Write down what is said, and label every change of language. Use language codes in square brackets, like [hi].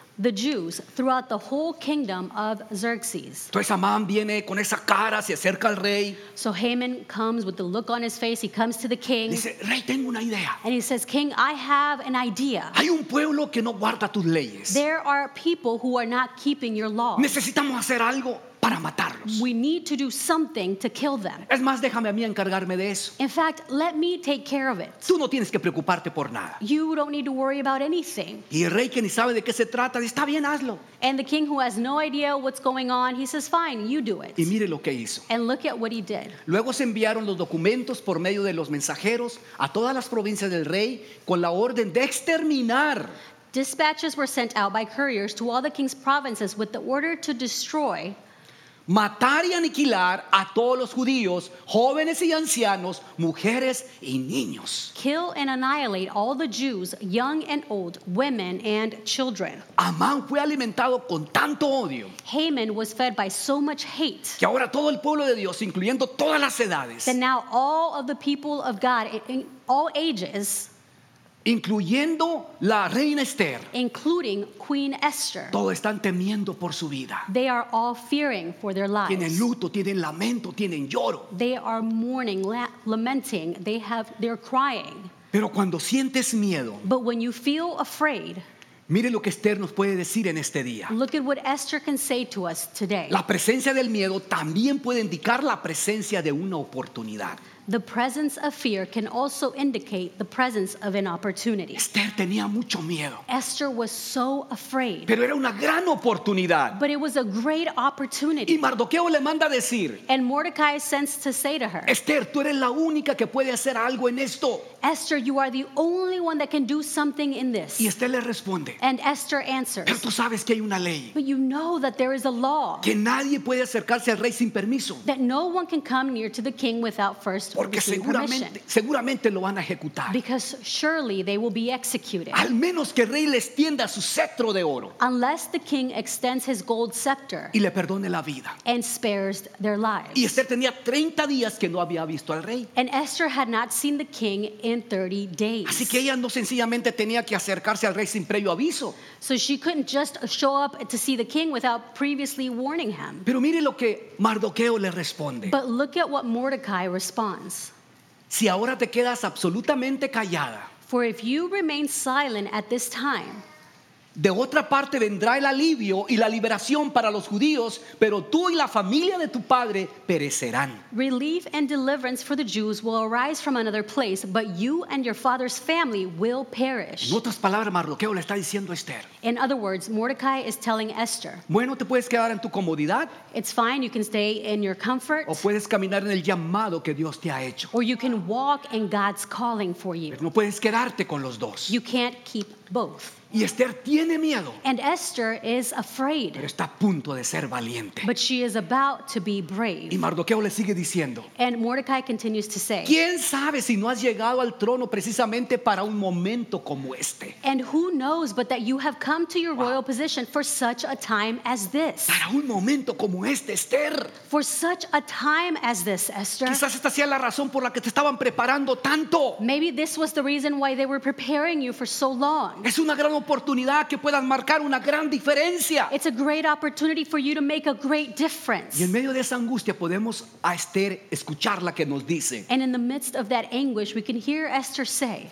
[en] The Jews throughout the whole kingdom of Xerxes. [es] Entonces Amán viene con esa cara, se acerca al rey. [en] So Haman comes with the look on his face. He comes to the king. [es] Dice, rey, tengo una idea. [en] And he says, King, I have an idea. [es] Hay un pueblo que no guarda tus leyes. [en] There are people who are not keeping your laws. [es] Necesitamos hacer algo para matarlos. [en] We need to do something to kill them. [es] Es más, déjame a mí encargarme de eso. [en] In fact, let me take care of it. [es] Tú no tienes que preocuparte por nada. [en] You don't need to worry about anything. [es] Y el rey que ni sabe de qué se trata, dice, está bien, hazlo. [en] And the king who has no idea what's going on, he says, fine, you do it. [es] Y mire lo que hizo. [en] And look at what he did. [es] Luego se enviaron los documentos por medio de los mensajeros a todas las provincias del rey con la orden de exterminar. [en] Dispatches were sent out by couriers to all the king's provinces with the order to destroy, [es] matar y aniquilar a todos los judíos, jóvenes y ancianos, mujeres y niños. [en] Kill and annihilate all the Jews, young and old, women and children. [es] Amán fue alimentado con tanto odio. [en] Haman was fed by so much hate. [es] Que ahora todo el pueblo de Dios, incluyendo todas las edades. [en] That now all of the people of God, in all ages. [es] Incluyendo la reina Esther. [en] Including Queen Esther. [es] Todos están temiendo por su vida. [en] They are all fearing for their lives. [es] Tienen luto, tienen lamento, tienen lloro. [en] They are mourning, lamenting. They're crying. [es] Pero cuando sientes miedo. [en] But when you feel afraid. [es] Mire lo que Esther nos puede decir en este día. [en] Look at what Esther can say to us today. [es] La presencia del miedo también puede indicar la presencia de una oportunidad. [en] The presence of fear can also indicate the presence of an opportunity. [es] Esther tenía mucho miedo. [en] Esther was so afraid. [es] Pero era una gran oportunidad. [en] But it was a great opportunity. [es] Y Mardoqueo le manda decir. [en] And Mordecai sends to say to her. [es] Esther, tú eres la única que puede hacer algo en esto. [en] Esther, you are the only one that can do something in this. [es] Y Esther le responde. [en] And Esther answers. [es] Pero tú sabes que hay una ley. [en] But you know that there is a law. [es] Que nadie puede acercarse al rey sin permiso. [en] That no one can come near to the king without first. [es] Porque seguramente lo van a ejecutar. [en] Because surely they will be executed. [es] Al menos que el rey les tienda su cetro de oro. [en] Unless the king extends his gold scepter. [es] Y le perdone la vida. [en] And spares their lives. [es] Y Esther tenía 30 días que no había visto al rey. [en] And Esther had not seen the king in 30 days. [es] Así que ella no sencillamente tenía que acercarse al rey sin previo aviso. [en] So she couldn't just show up to see the king without previously warning him. [es] Pero mire lo que Mardoqueo le responde. [en] But look at what Mordecai responds. [es] Si ahora te quedas absolutamente callada, [en] for if you remain silent at this time, [es] de otra parte vendrá el alivio y la liberación para los judíos, pero tú y la familia de tu padre perecerán. [en] Relief and deliverance for the Jews will arise from another place, but you and your father's family will perish. [es] En otras palabras, Mardoqueo le está diciendo a Esther. [en] In other words, Mordecai is telling Esther. [es] Bueno, te puedes quedar en tu comodidad. [en] It's fine, you can stay in your comfort. [es] O puedes caminar en el llamado que Dios te ha hecho. [en] Or you can walk in God's calling for you. [es] Pero no puedes quedarte con los dos. [en] You can't keep both. [es] Y Esther tiene miedo. [en] And Esther is afraid. [es] Pero está a punto de ser valiente. [en] But she is about to be brave. [es] Y Mardoqueo le sigue diciendo. [en] And Mordecai continues to say. [es] ¿Quién sabe si no has llegado al trono precisamente para un momento como este? [en] And who knows but that you have come to your royal position for such a time as this. [es] Para un momento como este, Esther. [en] For such a time as this, Esther. [es] Quizás esta sea la razón por la que te estaban preparando tanto. [en] Maybe this was the reason why they were preparing you for so long. [es] Es una gran oportunidad que puedas marcar una gran diferencia. [en] It's a great opportunity for you to make a great difference. [es] Y en medio de esa angustia podemos a Esther escuchar la que nos dice. [en] And in the midst of that anguish, we can hear Esther say.